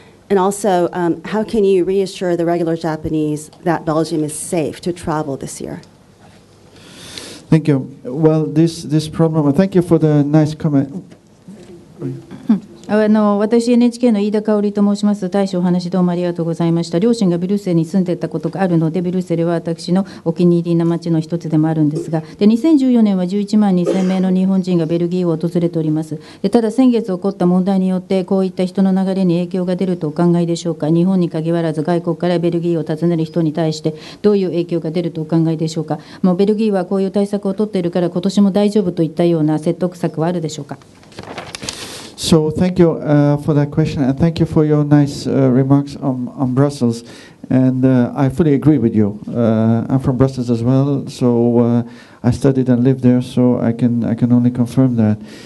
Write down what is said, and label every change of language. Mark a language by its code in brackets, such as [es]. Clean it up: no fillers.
[en] And also, how can you reassure the regular Japanese that Belgium is safe to travel this year? Thank you. Well, this problem, thank you for the nice comment. [ja] 私 NHK の飯田香織と申します。大使お話どうもありがとうございました。両親がビルセに住んでいたことがあるのでビルセは私のお気に入りの町の一つでもあるんですが、で2014年は11万2000名の日本人がベルギーを訪れております。でただ先月起こった問題によってこういった人の流れに影響が出るとお考えでしょうか。日本に限らず外国からベルギーを訪ねる人に対してどういう影響が出るとお考えでしょうか。もうベルギーはこういう対策を取っているから今年も大丈夫といったような説得策はあるでしょうか。 [en] So thank you for that question, and thank you for your nice remarks on Brussels. And I fully agree with you. I'm from Brussels as well, so I studied and lived there, so I can only confirm that.